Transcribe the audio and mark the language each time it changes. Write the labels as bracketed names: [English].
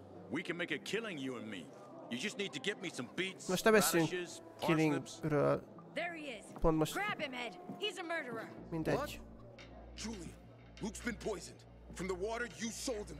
[English] We can make a killing, you and me. You just need to get me some beets. [Hungarian] Most ne beszélünk killingről. [English] There he is. [Hungarian] Pont most. [English] Grab him, Ed. He's a murderer. [Hungarian] Mindegy. [English] Julian, Luke's been poisoned from the water you sold him.